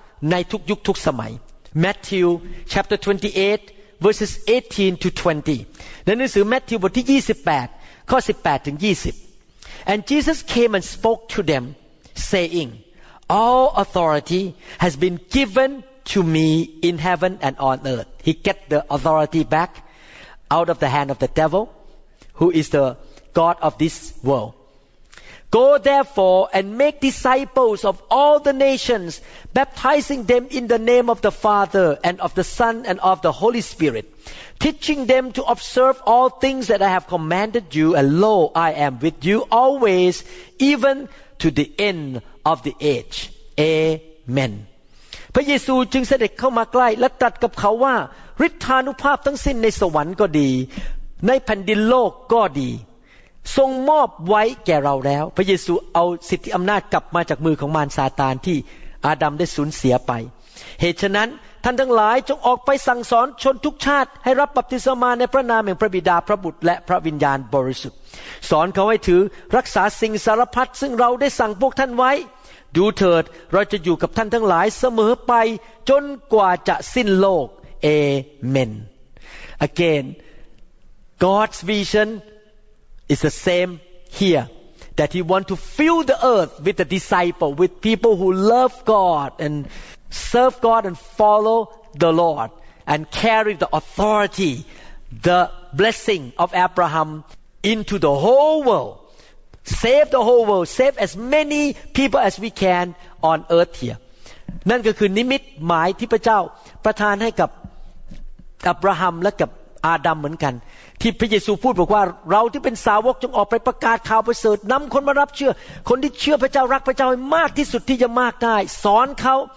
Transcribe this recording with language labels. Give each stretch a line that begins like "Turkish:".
Thai: ในทุกยุคทุกสมัย
English: Matthew chapter 28 verses 18 to 20
Thai: ในหนังสือมัทธิวบทที่28ข้อ18ถึง20
English: And Jesus came and spoke to them saying All authority has been given to me in heaven and on earth He get the authority back out of the hand of the devil who is theGod of this world. Go therefore and make disciples of all the nations, baptizing them in the name of the Father and of the Son and of the Holy Spirit, teaching them to observe all things that I have commanded you, and lo, I am with you always, even to the end of the age. Amen.
Thai: พระเยซูจึงเสด็จเข้ามาใกล้และตรัสกับเขาว่าฤทธานุภาพทั้งสิ้นในสวรรค์ก็ดีในแผ่นดินโลกก็ดีทรงมอบไว้แก่เราแล้วพระเยซูเอาสิทธิอำนาจกลับมาจากมือของมารซาตานที่อาดัมได้สูญเสียไป เหตุฉะนั้นท่านทั้งหลายจงออกไปสั่งสอนชนทุกชาติให้รับบัพติศมาในพระนามแห่งพระบิดาพระบุตรและพระวิญญาณบริสุทธิ์สอนเขาให้ถือรักษาสิ่งสารพัดซึ่งเราได้สั่งพวกท่านไว้ ดูเถิดเราจะอยู่กับท่านทั้งหลายเสมอไปจนกว่าจะสิ้นโลกเอเมน
English: Again God's visionIt's the same here that he wants to fill the earth with the disciple, with people who love God and serve God and follow the Lord and carry the authority, the blessing of Abraham into the whole world. save the whole world, save as many people as we can on earth here.
Thai: นั่นก็คือนิมิตหมายที่พระเจ้าประทานให้กับอับราฮัมและกับอาดัมเหมือนกันที่พระเยซูพูดบอกว่าเราที่เป็นสาวกจงออกไปประกาศข่าวประเสริฐนำคนมารับเชื่อคนที่เชื่อพระเจ้ารักพระเจ้ามากที่สุดที่จะมากได้สอนเขา